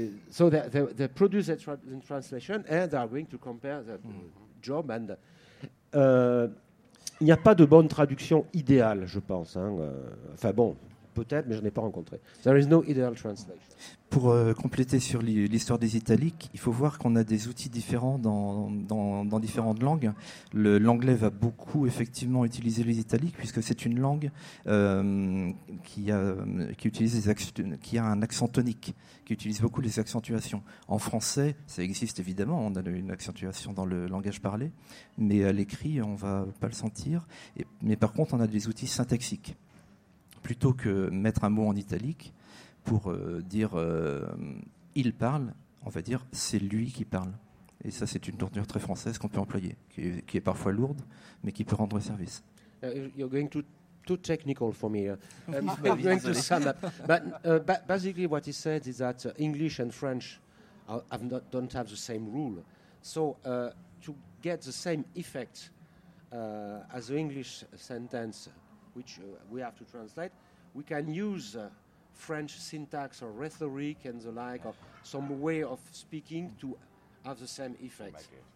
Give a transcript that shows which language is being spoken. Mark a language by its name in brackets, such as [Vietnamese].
[English] So they produce the translation and they are going to compare the job. And [French] il n'y a pas de bonne traduction idéale, je pense. Enfin bon, peut-être, mais je n'en ai pas rencontré. [English] There is no ideal translation. [French] Pour compléter sur l'histoire des italiques, il faut voir qu'on a des outils différents dans différentes langues. L'anglais va beaucoup effectivement utiliser les italiques puisque c'est une langue qui a un accent tonique, qui utilise beaucoup les accentuations. En français, ça existe évidemment, on a une accentuation dans le langage parlé, mais à l'écrit, on ne va pas le sentir. Mais par contre, on a des outils syntaxiques. Plutôt que mettre un mot en italique, pour dire il parle, on va dire c'est lui qui parle. Et ça, c'est une tournure très française qu'on peut employer, qui est parfois lourde, mais qui peut rendre service. [English] You're going too technical for me. I'm going to sum up. But basically, what he said is that English and French don't have the same rule. So to get the same effect as the English sentence, which we have to translate, we can use French syntax or rhetoric and the like, or some way of speaking to have the same effect.